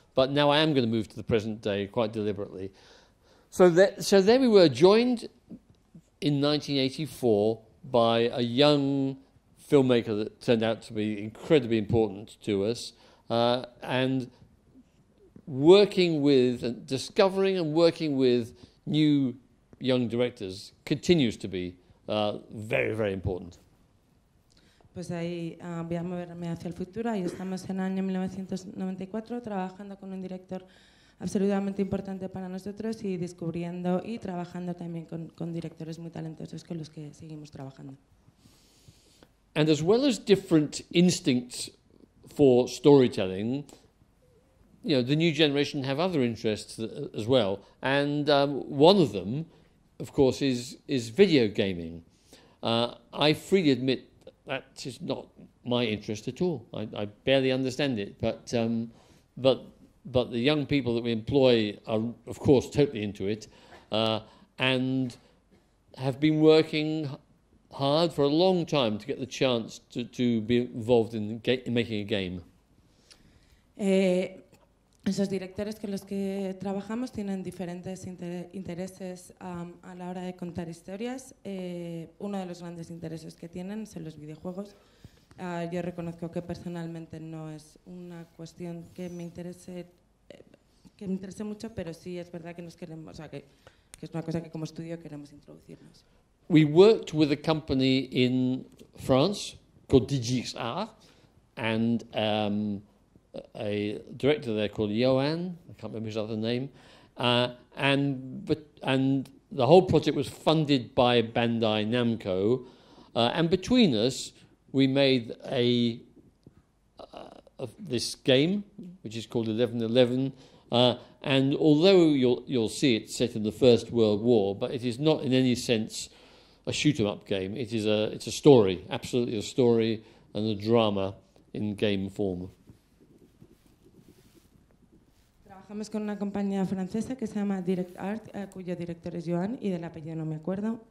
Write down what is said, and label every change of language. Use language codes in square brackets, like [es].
[en] But now I am going to move to the present day quite deliberately. So there we were, joined in 1984 by a young filmmaker that turned out to be incredibly important to us, and working with and discovering and working with new young directors continues to be very, very important. [es] Pues ahí voy a moverme hacia el futuro. Ahí estamos en el año 1994 trabajando con un director absolutamente importante para nosotros y descubriendo y trabajando también con directores muy talentosos con los que seguimos trabajando. [en] And as well as different instincts for storytelling, you know, the new generation have other interests as well. And one of them, of course, is video gaming. I freely admit that is not my interest at all. I barely understand it, but the young people that we employ are, of course, totally into it, and have been working hard for a long time to get the chance to be involved in making a game. [es] Esos directores con los que trabajamos tienen diferentes intereses a la hora de contar historias. Uno de los grandes intereses que tienen son los videojuegos. Yo reconozco que personalmente no es una cuestión que me interese mucho, pero sí es verdad que nos queremos, o sea, que es una cosa que como estudio queremos introducirnos. [en] We worked with a company in France called DigixArt, and a director there called Johan, I can't remember his other name, and the whole project was funded by Bandai Namco, and between us we made this game, which is called 1111, and although you'll see it set in the First World War, but it is not in any sense a shoot 'em up game. It's a story, absolutely a story and a drama in game form. [es] Trabajamos con una compañía francesa que se llama Direct Art, cuyo director es Joan y del apellido no me acuerdo.